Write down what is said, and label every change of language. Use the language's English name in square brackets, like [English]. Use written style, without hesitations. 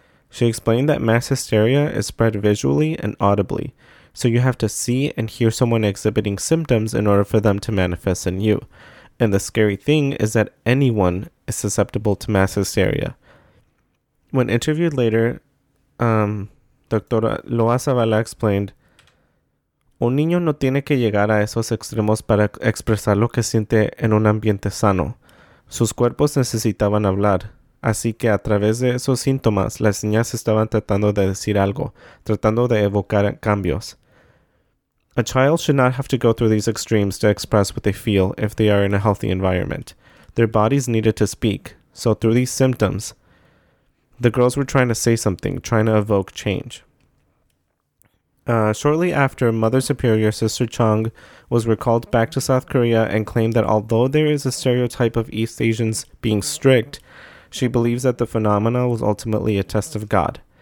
[English] She explained that mass hysteria is spread visually and audibly, so you have to see and hear someone exhibiting symptoms in order for them to manifest in you. And the scary thing is that anyone is susceptible to mass hysteria. When interviewed later, Dr. [Spanish] Loa Zavala [English] explained, [Spanish] un niño no tiene que llegar a esos extremos para expresar lo que siente en un ambiente sano. Sus cuerpos necesitaban hablar. Así que a través de esos síntomas, las niñas estaban tratando de decir algo, tratando de evocar cambios. [English] A child should not have to go through these extremes to express what they feel if they are in a healthy environment. Their bodies needed to speak. So through these symptoms, the girls were trying to say something, trying to evoke change. Shortly after, Mother Superior Sister Chung was recalled back to South Korea and claimed that although there is a stereotype of East Asians being strict, she believes that the phenomena was ultimately a test of God.